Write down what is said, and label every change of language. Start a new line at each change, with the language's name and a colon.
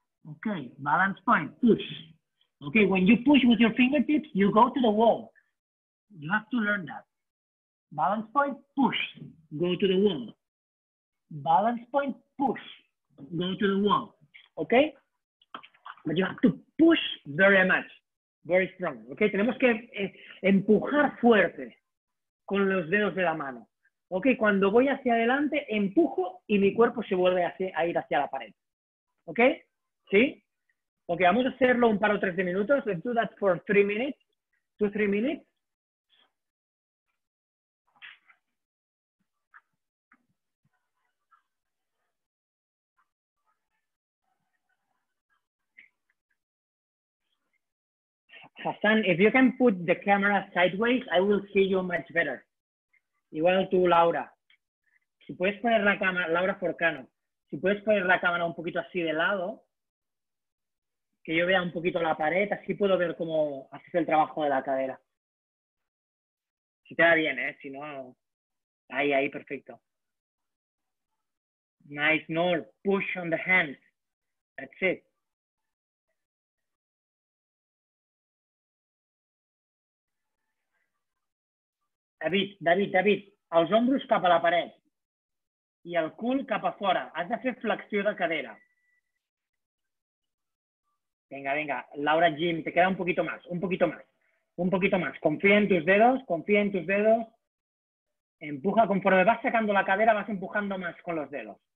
English: Okay, balance point, push. Okay, when you push with your fingertips, you go to the wall. You have to learn that. Balance point, push, go to the wall. Balance point, push, go to the wall. Okay? But you have to push very much, very strong.
Spanish: Okay, tenemos que empujar fuerte con los dedos de la mano. Okay, cuando voy hacia adelante, empujo y mi cuerpo se vuelve a ir hacia la pared. Okay? ¿Sí? Okay, vamos a hacerlo un par o tres de minutos.
English: Let's do that for 3 minutes. 2-3 minutes. Hassan, if you can put the camera sideways, I will see you much better.
Spanish: Igual tú, Laura. Si puedes poner la cámara, Laura Forcano, si puedes poner la cámara un poquito así de lado, que yo vea un poquito la pared, así puedo ver cómo haces el trabajo de la cadera. Si te da bien, ¿eh? Si no, ahí, ahí, perfecto.
English: Nice, Nor, push on the hands. That's it.
Catalan: David, David, David, els hombros cap a la paret i el cul cap a fora. Has de fer flexió de cadera.
Spanish: Venga, venga, Laura Jim, te queda un poquito más, un poquito más, un poquito más. Confía en tus dedos, confía en tus dedos. Empuja, conforme vas sacando la cadera, vas empujando más con los dedos.